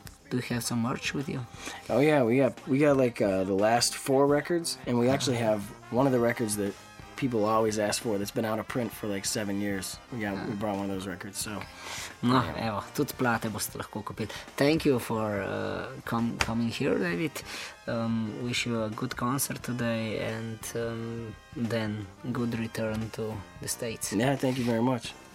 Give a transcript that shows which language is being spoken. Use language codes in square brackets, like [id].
[en] Do you have some merch with you? Oh yeah, we got like the last 4 records and we actually have one of the records that people always ask for that's been out of print for like 7 years. We brought one of those records, so... [sl] No, evo, tudi plate boste lahko kupili. [en] Thank you for coming here, David. Wish you a good concert today and then good return to the States. Yeah, thank you very much.